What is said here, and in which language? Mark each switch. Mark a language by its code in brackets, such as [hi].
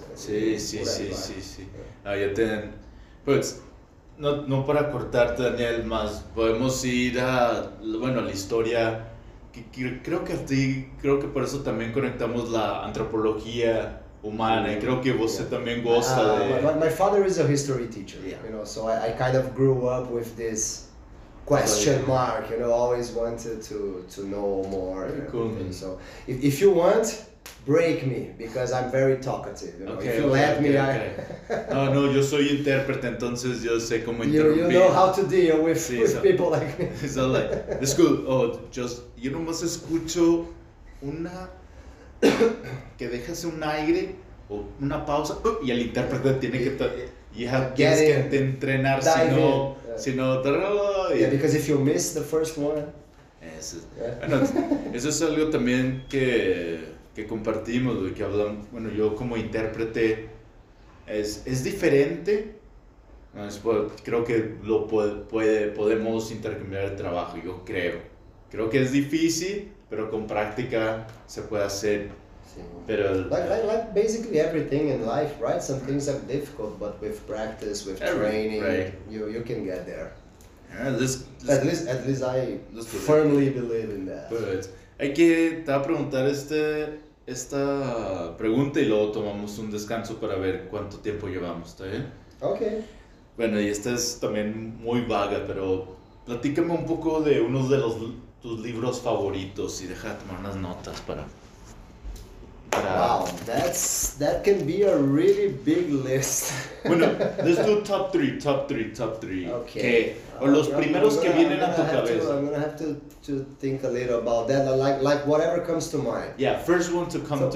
[pt] Né? Sim, sim, sim, sim, sim. Aí eu tenho... Pois, não, não para cortar, Daniel, mas podemos ir a... Bueno, a história, que [es] creo que a ti, creo que [pt] por isso também conectamos a antropologia humana, [es] creo que [pt] você também gosta de... [en] My father is a history teacher, yeah, you know, so I kind of grew up with this question mark, you know, always wanted to know more. Cool. So if you want, break me, because I'm very talkative, you know? Okay, if you let me, okay. I... [es] No, no, yo soy intérprete, entonces yo sé cómo interrumpir. [en] You know how to deal with, [es] sí, [en] with so, people like me. It's all like, it's good, oh, just, [es] yo nomás escucho una... que dejase un aire o una pausa y el intérprete tiene que entrenar, si no, [en] because if you miss the first one, [es] eso, bueno, eso es algo también que compartimos, que hablamos, bueno, yo como intérprete es diferente, después creo que lo podemos intercambiar el trabajo, yo creo que es difícil, pero con práctica se puede hacer. Pero, [en] like basically everything in life, right? Some things are difficult, but with practice, with training, right, you can get there. At least I firmly believe in that. [es] But, hay que te va a preguntar esta pregunta y luego tomamos un descanso para ver cuánto tiempo llevamos, ¿está bien? [en] Okay. [es] Bueno, y esta es también muy vaga, pero platícame un poco de uno de los tus libros favoritos y deja de tomar unas notas para... [en] Wow, that can be a really big list. Bueno, let's do top three. Okay. I'm gonna have to think a little about that. Like whatever comes to mind. Yeah, first one to come